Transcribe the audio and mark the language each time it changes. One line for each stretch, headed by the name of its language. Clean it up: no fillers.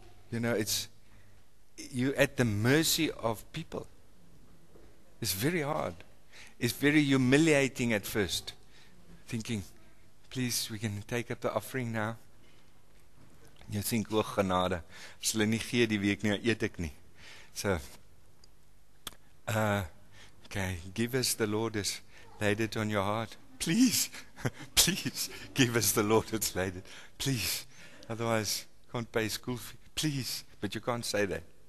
English: You know, it's you at the mercy of people. It's very hard. It's very humiliating at first. Thinking, please, we can take up the offering now. You think, oh, genade.
Afrikaans: As hulle nie gee die week nie, eet ek nie.
English: So, okay, give us the Lord has laid it on your heart. Please, please, give us the Lord has laid it. Please, otherwise, can't pay school fees. Please, but you can't say that.